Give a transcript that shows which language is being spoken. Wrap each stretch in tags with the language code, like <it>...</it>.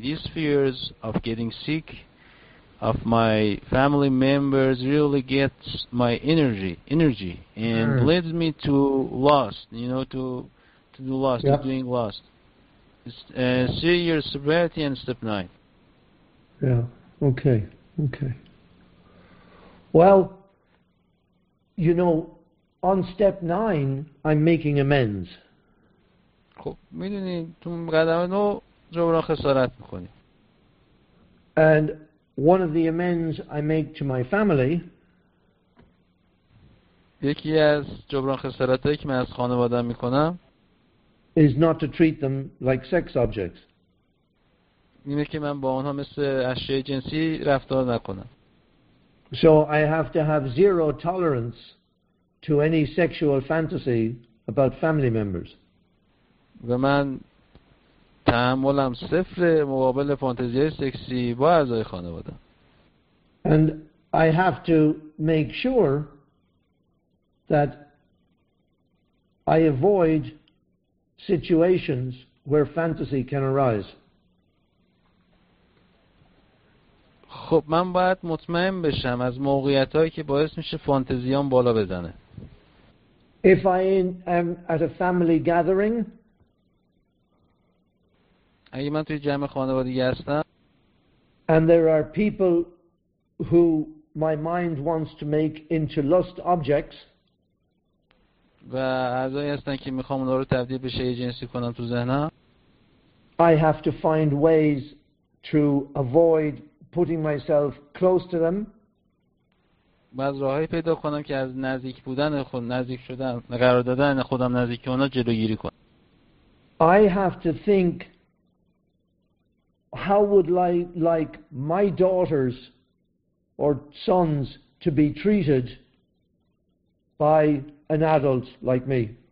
<en>These fears of getting sick of my family members really gets my energy and leads me to lust, you know, to do lust, yeah. To doing lust. It's 3 years sobriety and step 9. Yeah, okay. Well, you know, on step 9, I'm making amends.</en> <fa>خب میدونی تو قدم 9 جبران خسارت میکنی.</fa> <en>And one of the amends I make to my family,</en> <fa>یکی از جبران خسارتایی که من از خانواده میکنم,</fa> <en>is not to treat them like sex objects.</en> <fa>اینه که من با اونها مثل اشیاء جنسی رفتار نکنم.</fa> <en>So I have to have zero tolerance to any sexual fantasy about family members.</en> <fa>و من تحملم صفر مقابل فانتزی سکسی با اعضای خانواده.</fa> <en>And I have to make sure that I avoid situations where fantasy can arise.</en> <fa>خب من باید مطمئن بشم از موقعیتایی که باعث میشه فانتزیام بالا بزنه.</fa> <en>If I am at a family gathering,</en> <fa>اگه من توی جمع خانوادگی هستم,</fa> <en>and there are people who my mind wants to make into lust objects,</en> <fa>و اعضایی هستن که میخوام اونا رو تبدیل به شی جنسی کنم تو ذهنم,</fa> <en>I have to find ways to avoid putting myself close to them.</en> <fa>باید راهی پیدا کنم که از نزدیک بودن خود, نزدیک شدن, قرار دادن خودم نزدیک اونا جلوگیری کنم.</fa> <en>I have to think, how would like my daughters or sons to be treated by an adult like me?</en>